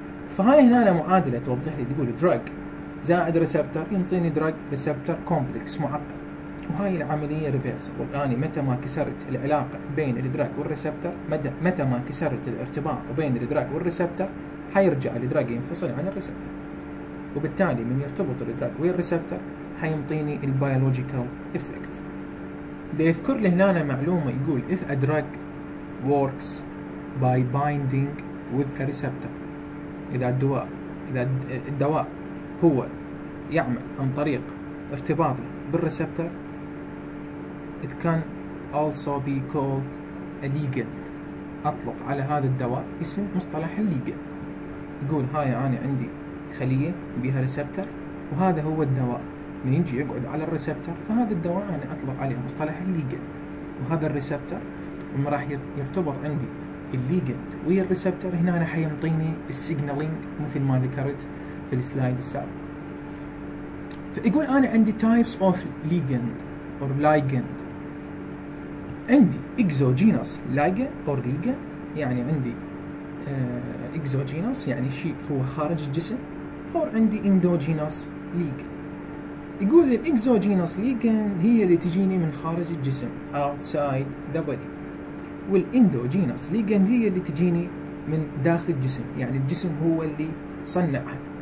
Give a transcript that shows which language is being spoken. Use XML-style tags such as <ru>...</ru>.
<ar>فهاي هنا معادلة توضح لي، تقول drug زائد receptor ينطيني drug receptor complex معقد، وهاي العملية reversible. والآن متى ما كسرت العلاقة بين الدراج والريسبتر، متى ما كسرت الارتباط بين الدراج والريسبتر، حيرجع الدراج ينفصل عن الريسبتر، وبالتالي من يرتبط الدراج والريسبتر حيمطيني البيولوجيكال إفكت. ليذكر لهنا معلومة يقول</ar> <en>if a drug works by binding with a receptor،</en> <ar>إذا الدواء هو يعمل عن طريق ارتباطه بالريسبتر،</ar> <en>it can also be called a ligand.</en> <ar>أطلق على هذا الدواء اسم مصطلح الليجند. يقول هاي أنا عندي خلية بها ريسبتر، وهذا هو الدواء من يجي يقعد على الريسبتر، فهذا الدواء أنا أطلق عليه مصطلح الليجند. وهذا الريسبتر لما راح يرتبط عندي الليجند ويا الريسبتر، هنا أنا حيمطيني السيجنالينج مثل ما ذكرت في السلايد السابق. فيقول أنا عندي</ar> <en>types of ligand or ligand.</en> <ar>عندي</ar> <en>exogenous ligand or ligand،</en> <ar>يعني عندي exogenous يعني شيء هو خارج الجسم، or عندي</ar> <en>endogenous ligand.</en> <ar>يقول ال exogenous ligand هي اللي تجيني من خارج الجسم</ar> <en>outside the body،</en> <ar>وال endogenous ligand هي اللي تجيني من داخل الجسم، يعني الجسم هو اللي صنعها.</ar>